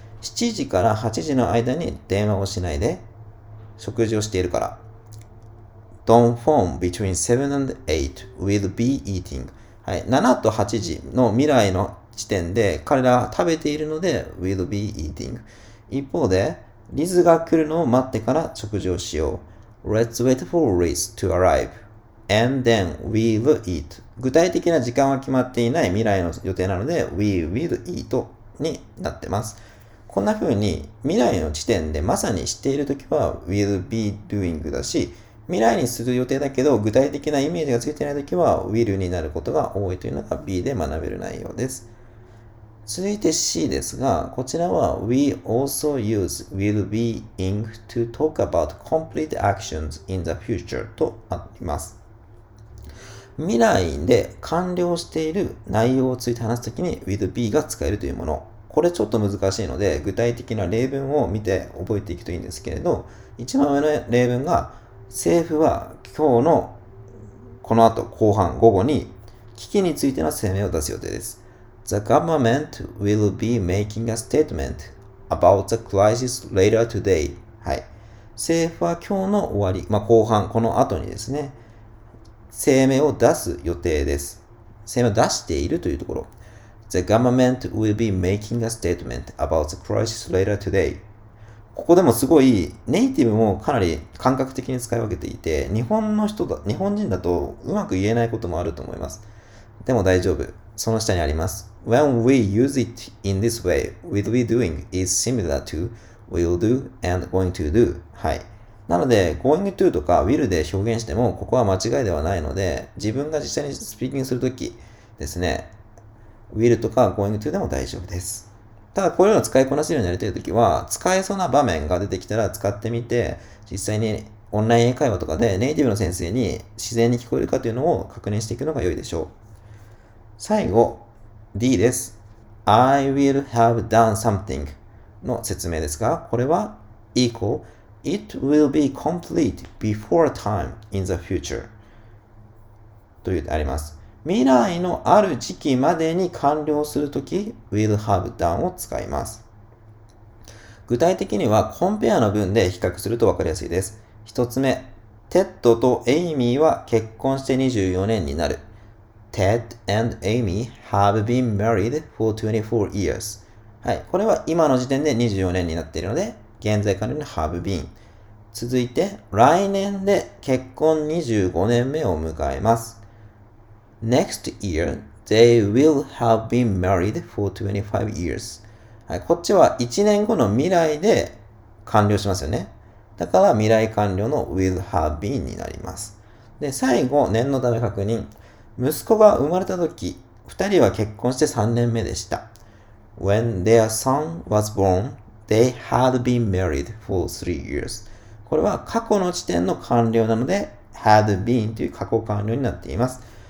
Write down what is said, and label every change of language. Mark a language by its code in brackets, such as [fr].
[ja] 7時から8時の間に電話をしないで、食事をしているから。 Don't phone between 7 and 8 will be eating、はい、7と8時の未来の時点で彼らは食べているので will be eating。一方でリズが来るのを待ってから食事をしよう。 [en] Let's wait for Liz to arriveAnd then we will eat. [ja] 具体的な時間は決まっていない未来の予定なので we will eat になってます。こんな風に未来の時点でまさにしているときは will be doing だし、未来にする予定だけど具体的なイメージがついていないときは will になることが多いというのが B で学べる内容です。続いて C ですが、こちらは we also use will be in to talk about complete actions in the future とあります。未来で完了している内容をついて話すときに will be が使えるというもの。これちょっと難しいので具体的な例文を見て覚えていくといいんですけれど、一番上の例文が、政府は今日のこの後後半午後に危機についての声明を出す予定です。 [en] The government will be making a statement about the crisis later today. [ja] はい。政府は今日の終わり、まあ、後半、この後にですね、声明を出す予定です。声明を出しているというところ。 [en] The government will be making a statement about the crisis later today. [ja] ここでもすごいネイティブもかなり感覚的に使い分けていて、日本人だとうまく言えないこともあると思います。でも大丈夫。その下にあります。 [en] When we use it in this way, will be doing is similar to will do and going to do. [ja] はい。なので、going to とか will で表現しても、ここは間違いではないので、自分が実際にスピーキングするときですね、will とか going to でも大丈夫です。ただ、こういうのを使いこなせるようになりたいときは、使えそうな場面が出てきたら使ってみて、実際にオンライン英会話とかでネイティブの先生に自然に聞こえるかというのを確認していくのが良いでしょう。最後、D です。I will have done something の説明ですが、これは equal It will be complete before time in the future というあります。未来のある時期までに完了するとき、will have done を使います。具体的にはコンペアの文で比較すると分かりやすいです。 1つ目、テッドとエイミーは結婚して24年になる。 [en] Ted and Amy have been married for 24 years。 [ja] はい、これは今の時点で24年になっているので現在完了の have been。続いて、来年で結婚25年目を迎えます。 [en] Next year they will have been married for 25 years。 [ja] はい、こっちは1年後の未来で完了しますよね。だから未来完了の will have been になります。で、最後、念のため確認。息子が生まれた時、2人は結婚して3年目でした。 [en] When their son was born they had been married for 3 years。 [ja] これは過去の時点の完了なので had been という過去完了になっています。